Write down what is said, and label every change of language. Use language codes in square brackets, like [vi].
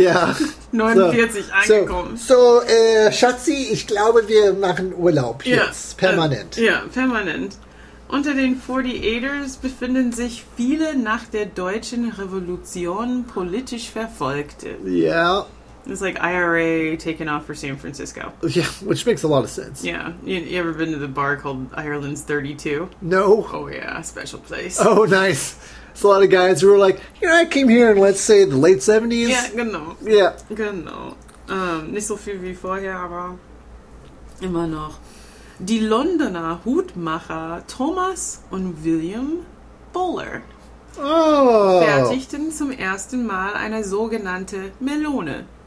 [de] Ja. 49 so, angekommen. So, Schatzi, ich glaube, wir machen Urlaub jetzt. Ja, permanent. Ja, permanent. Unter den 48ers befinden sich viele nach der deutschen Revolution politisch Verfolgte. [en] Yeah. It's like IRA taken off for San Francisco. Yeah, which makes a lot of sense. Yeah. You ever been to the bar called Ireland's 32? No. Oh, yeah. Special place. Oh, nice. It's a lot of guys who are like, you know, I came here in, let's say, the late 70s. Yeah, [de] genau. [en] Yeah. [de] Genau. Nicht so viel wie vorher, aber immer noch. Die Londoner Hutmacher Thomas und William Bowler fertigten zum ersten Mal eine sogenannte Melone.